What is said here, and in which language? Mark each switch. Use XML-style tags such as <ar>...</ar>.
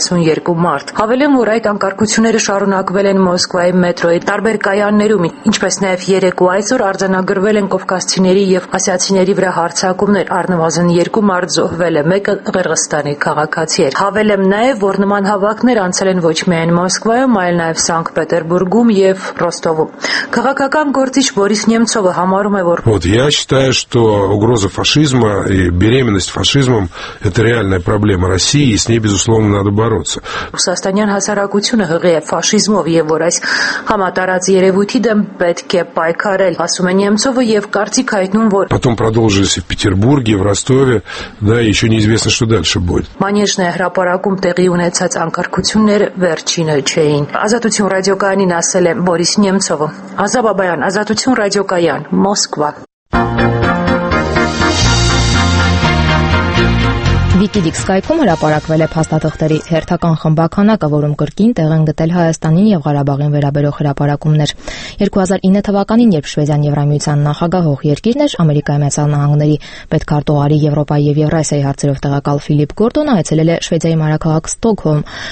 <hy>32 մարդ։ Հավելեմ, որ այդ անկարգությունները շարունակվել են Մոսկվայի մետրոյի տարբեր կայաններում, ինչպես նաև երեկ ու այսօր արձանագրվել են Կովկասցիների և ասիացիների վրա հարձակումներ, առնվազն 2 մարդ զոհվել է, մեկը Ղրղստանի քաղաքացի էր։ Հավելեմ նաև, որ նման հավաքներ անցել են ոչ միայն Մոսկվայում, այլ նաև Սանկտ Պետերբուրգում և Ռոստովում։ Քաղաքական գործիչ Բորիս Նեմցովը համարում է, որ</hy> <ru>Вот я считаю, что угроза фашизма и беременность фашизмом это реальная проблема России, и с ней безусловно надо бороться.</ru> <hy>Ռուսաստանյան հասարակությունը հղի է ֆաշիզմով եւ որ այս համատարած երևույթի դեմ պետք է պայքարել, ասում են Նեմցովը եւ կարծիք հայտնում, որ</hy> <ru>Потом продолжится в Петербурге, в Ростове, да, ещё неизвестно, что дальше будет.</ru> <hy>Մանեժնե հրապարակում տեղի ունեցած անկարգությունները վերջինը չէին։ Ազատություն ռադիոկայանին ասել է Բորիս Նեմցովը։ Ազա Բաբայան, Ազատություն ռադիոկայան, Մոսկվա։ Վիկիլիքս կայքում հրապարակվել է փաստաթղթերի հերթական խմբականակը, որում կրկին տեղ են գտել Հայաստանին և Ղարաբաղին վերաբերող հրապարակումներ։ 2009 թվականին, երբ Շվեդիան Եվրամիության նախագահ հող երկիրն էր, Ամերիկայի Միացյալ Նահանգների պետքարտուղարի Եվրոպայի և Եվրասիայի հարցերով տեղակալ Ֆիլիպ Գորդոնը այցելել է Շվեդիայի մայրաքաղաք Ստոկհոլմ,</hy>